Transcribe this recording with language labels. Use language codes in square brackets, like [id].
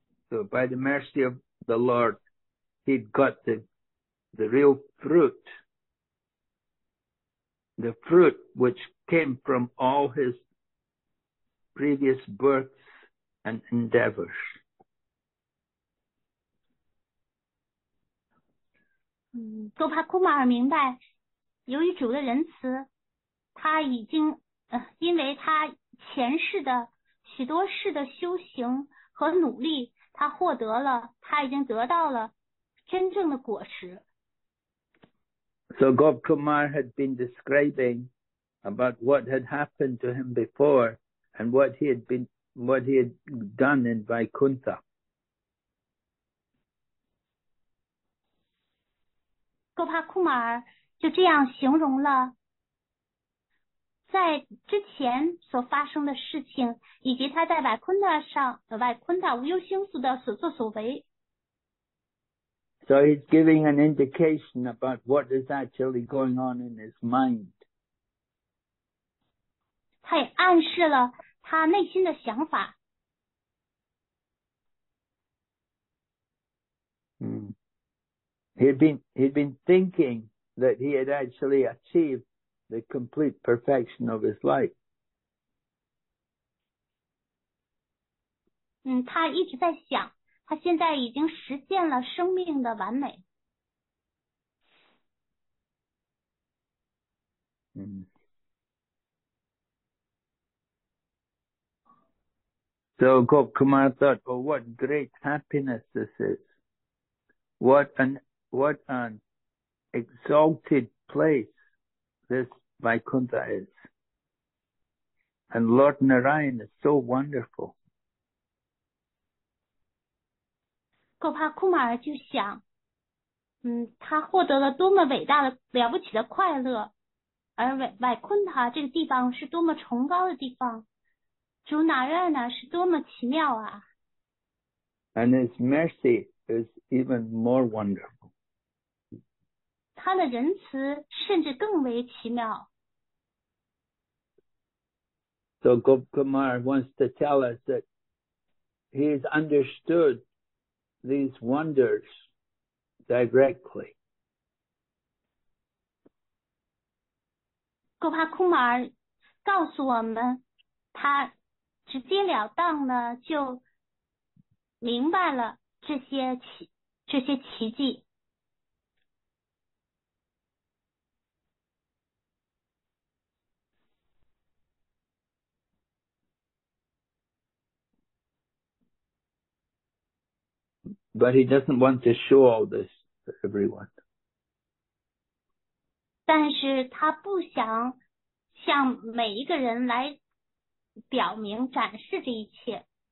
[en] So by the mercy of the Lord, he'd got the real fruit, the fruit which came from all his previous births and endeavors. [zh] 多帕库马尔明白，由于主的仁慈，他已经因为他前世的许多事的修行和努力，他获得了，他已经得到了真正的果实。 [en] So Gop Kumar had been describing about what had happened to him before and what he had done in Vaikuntha. [zh] Gopa Kumar 就这样形容了在之前所发生的事情，以及他在 Vaikuntha 上 Vaikuntha 无忧星宿的所作所为。 [en] So he's giving an indication about what is actually going on in his mind. [zh] 他也暗示了他内心的想法。 [en] He'd been thinking that he had actually achieved the complete perfection of his life. [zh] 他一直在想，他现在已经实现了生命的完美。 [en] So Gop Kumar thought, oh, what great happiness this is. What an exalted place this Vaikuntha is. And Lord Narayan is so wonderful. [zh] Gopa Kumar 就想，他获得了多么伟大的了不起的快乐，而瓦昆塔这个地方是多么崇高的地方，主哪日呢是多么奇妙啊。 [en] And his mercy is even more wonderful. [zh] 他的仁慈甚至更为奇妙。 [en] So Gop Kumar wants to tell us that he has understood these wonders directly. [zh] Gopa Kumar 告诉我们，他直截了当呢就明白了这些奇迹。 [en] But he doesn't want to show all this to everyone. [zh] 但是他不想向每一个人来表明展示这一切。